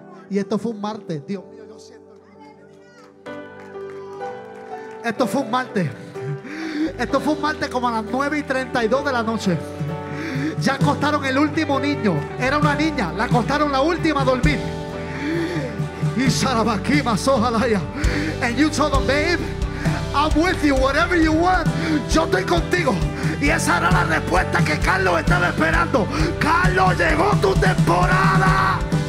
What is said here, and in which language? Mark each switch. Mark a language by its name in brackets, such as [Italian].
[Spanish] Y esto fue un martes, Dios mío, yo siento. Esto fue un martes. Esto fue un martes como a las 9:32 de la noche. Ya acostaron el último niño. Era una niña, la acostaron la última a dormir. Y Sarabakima, Sohalaya. [English] And you told them, babe, I'm with you, whatever you want. [Spanish] Yo estoy contigo. Y esa era la respuesta que Carlos estaba esperando. Carlos, llegó tu temporada.